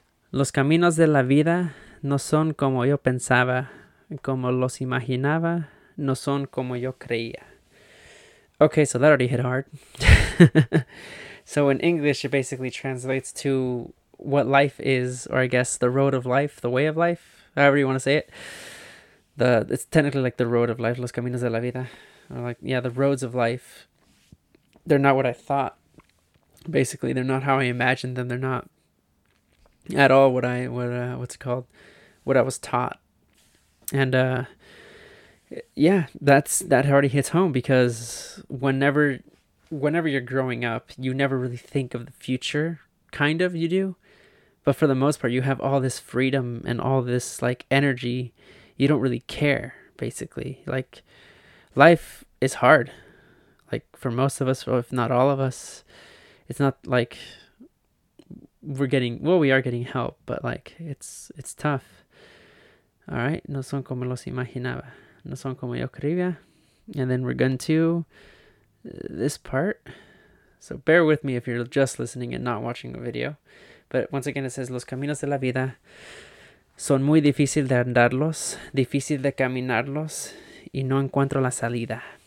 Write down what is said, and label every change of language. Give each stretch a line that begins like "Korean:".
Spanish: Los caminos de la vida no son como yo pensaba, como los imaginaba, no son como yo creía.
English: Okay, so that already hit hard. So in English, it basically translates to what life is, or I guess the road of life, the way of life, however you want to say it. It's technically like the road of life, los caminos de la vida. Or like, yeah, the roads of life. They're not what I thought. Basically, they're not how I imagined them. They're not at all what I was taught. And yeah, that already hits home, because whenever you're growing up, you never really think of the future. Kind of you do, but for the most part, you have all this freedom and all this like energy. You don't really care, basically. Like, life is hard, like for most of us, or if not all of us. It's not like we are getting help, but like it's tough.
Spanish: All right, no son como los imaginaba, no son como yo creía.
English: And then we're going to this part, so bear with me if you're just listening and not watching a video. But once again, it says,
Spanish: los caminos de la vida son muy difícil de andarlos, difícil de caminarlos, y no encuentro la salida.